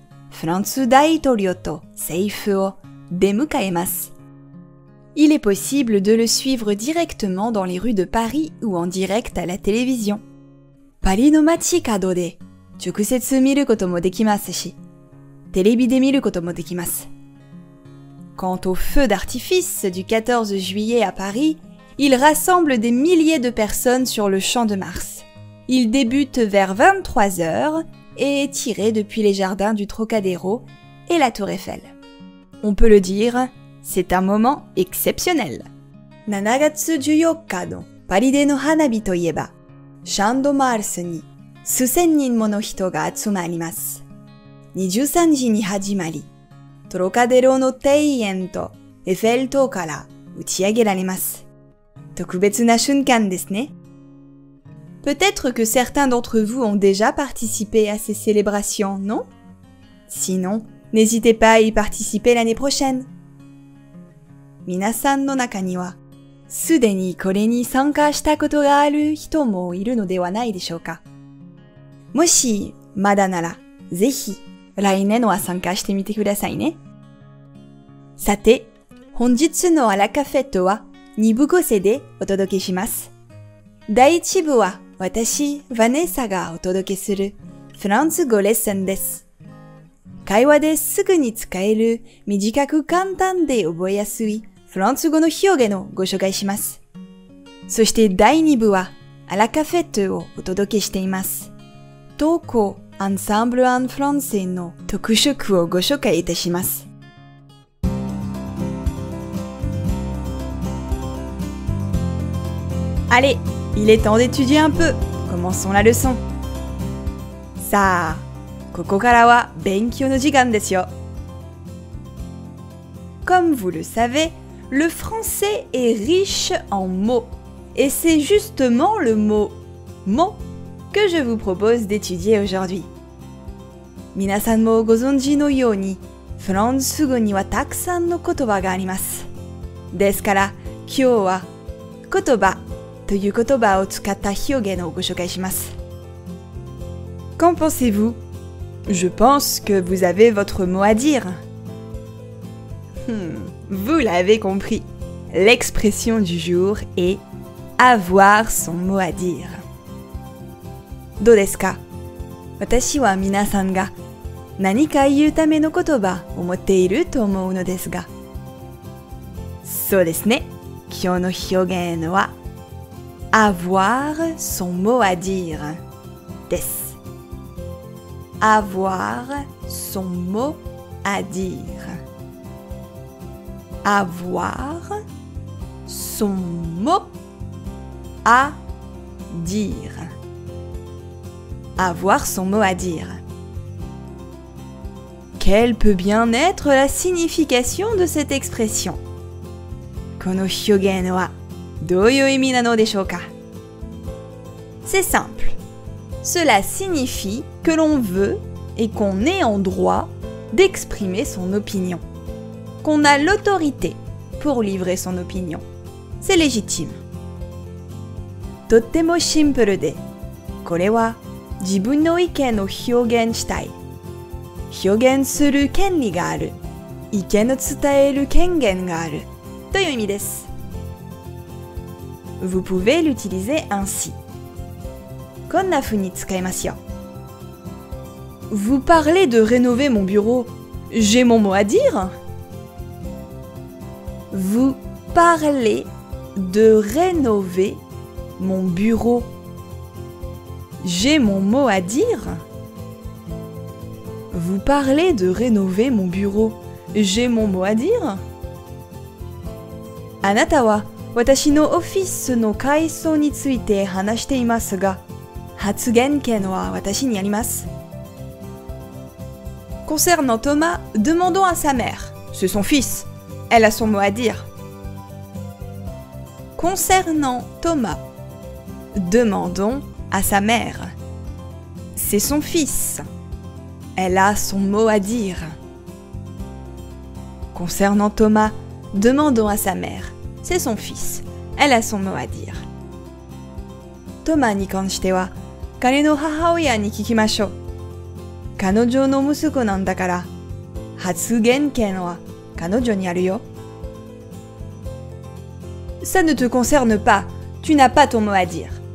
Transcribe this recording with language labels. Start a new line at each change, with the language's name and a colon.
Japanese: France 大統領と政府を出迎えます。
French: Il est possible de le suivre directement dans les rues de Paris ou en direct à la télévision.
Japanese: パリの街角で直接見ることもできますし、テレビで見ることもできます。
French: Quant au feu d'artifice du 14 juillet à Paris, il rassemble des milliers de personnes sur le Champ de Mars. Il débute vers 23h et tirée depuis les jardins du Trocadéro et la Tour Eiffel. On peut le dire, c'est un moment exceptionnel.
Japanese: 7月14日 のパリでの花火といえば、シャンドマールスに数千人もの人が集まります。 23時に始まり、トロカデロの庭園とエッフェル塔から打ち上げられます。特別な瞬間ですね。
French: Peut-être que certains d'entre vous ont déjà participé à ces célébrations, non? Sinon, n'hésitez pas à y participer l'année prochaine.
Japanese: 皆さんの中にはすでにこれに参加したことがある人もいるのではないでしょうか。もし、まだなら、ぜひ、来年は参加してみてくださいね。さて、本日のアラカフェットは2部構成でお届けします。第1部は、私、ヴァネッサがお届けするフランス語レッスンです。会話ですぐに使える短く簡単で覚えやすいフランス語の表現をご紹介します。そして第2部はアラカフェットをお届けしています。投稿アンサンブルアンフランセの特色をご紹介いたします。
French: Allez, il est temps d'étudier un peu. Commençons la leçon.
Japanese: さあ、ここからは勉強の時間ですよ。
French: Comme vous le savez,Le français est riche en mots, et c'est justement le mot « mot » que je vous propose d'étudier aujourd'hui.
Japanese: 皆さんもご存知のように、フランス語にはたくさんの言葉があります。ですから、今日は「言葉」という言葉を使った表現をご紹介します。
French: Qu'en pensez-vous? Je pense que vous avez votre mot à dire. Vous l'avez compris, l'expression du jour est « avoir son mot à dire ».
Japanese: どうですか? 私は皆さんが何か言うための言葉を持っていると思うのですが。そうですね。今日の表現は
French: 「avoir son mot à dire」
Japanese: です。
French: 「avoir son mot à dire」Avoir son mot à dire. Avoir son mot à dire. Quelle peut bien être la signification de cette expression?
Japanese: この表現はどういう意味なのでしょうか?
French: C'est simple. Cela signifie que l'on veut et qu'on est en droit d'exprimer son opinion. Qu'on a l'autorité pour livrer son opinion. C'est légitime.
Japanese: とってもシンプルで、これは自分の意見を表現したい。表現する権利がある。意見を伝える権限がある。という意味です。
French: Vous pouvez l'utiliser ainsi.
Japanese: こんなふうに使いますよ。
French: Vous parlez de rénover mon bureau. J'ai mon mot à dire? Vous parlez de rénover mon bureau. J'ai mon mot à dire. Vous parlez de rénover mon bureau. J'ai mon mot à dire.
Japanese: あなたは私のオフィスの改装について話していますが、発言権は私にあります。
French: Concernant Thomas, demandons à sa mère. C'est son fils. Elle a son mot à dire. Concernant Thomas, demandons à sa mère. C'est son fils. Elle a son mot à dire. Concernant Thomas, demandons à sa mère. C'est son fils. Elle a son mot à dire.
Japanese: Thomas に関しては、彼の母親に聞きましょう。彼女の息子なんだから、発言権は彼女にあるよ。
French: Ça ne te concerne pas. Tu n'as pas ton mot à dire.